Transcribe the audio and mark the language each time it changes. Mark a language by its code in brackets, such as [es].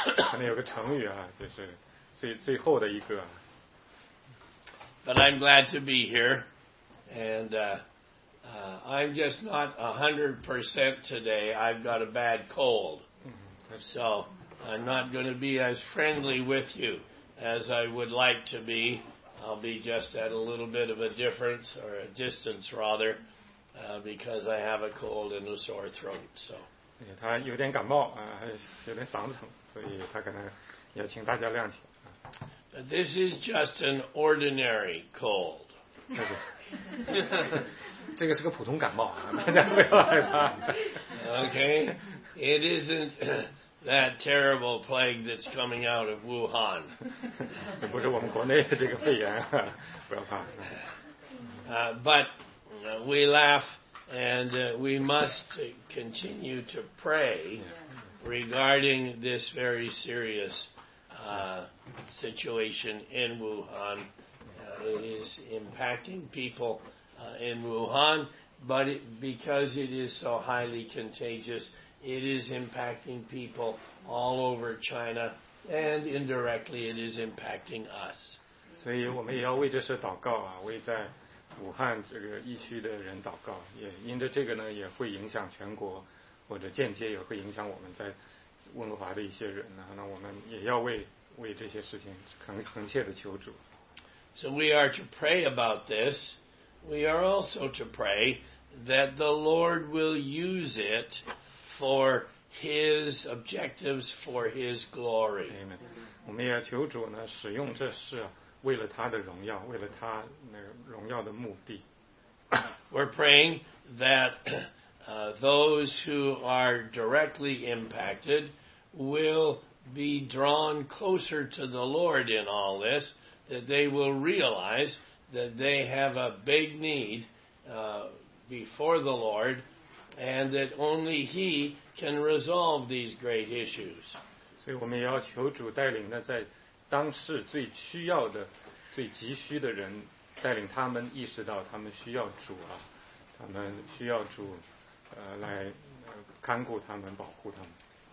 [zh] 可能有个成语啊，就是最后的一个。 [en] But I'm glad to be here, and I'm just not 100% today. I've got a bad cold. So, I'm not going to be as friendly with you as I would like to be. I'll be just at a little bit of a difference, or a distance rather, because I have a cold and a sore throat. So, [zh] 他有点感冒，有点嗓子疼，所以他可能也请大家谅解。 [en] But this is just an ordinary cold. [zh] 这个是个普通感冒，大家不要害怕。 [en] Okay, it isn't... that terrible plague that's coming out of Wuhan. [zh] 这不是我们国内的这个肺炎，不要怕。 [en] But we laugh and we must continue to pray regarding this very serious situation in Wuhan. It is impacting people in Wuhan, but because it is so highly contagious,It is impacting people all over China, and indirectly, it is impacting us. [zh] 所以我们也要为这事祷告啊，为在武汉这个疫区的人祷告，也因着这个呢，也会影响全国，或者间接也会影响我们在温哥华的一些人呢。那我们也要为这些事情恳切的求主。 [en] So we are to pray about this. We are also to pray that the Lord will use it. For his objectives, for his glory. Amen. [zh] 我们也求主呢，使用这事为了他的荣耀，为了他那个荣耀的目的。 [en] We're praying that those who are directly impacted will be drawn closer to the Lord in all this, that they will realize that they have a big need before the Lord. And that only He can resolve these great issues. [zh] 所以我们也要求主带领呢，在当时最需要的、最急需的人，带领他们意识到他们需要主啊，他们需要主，来看顾他们、保护他们。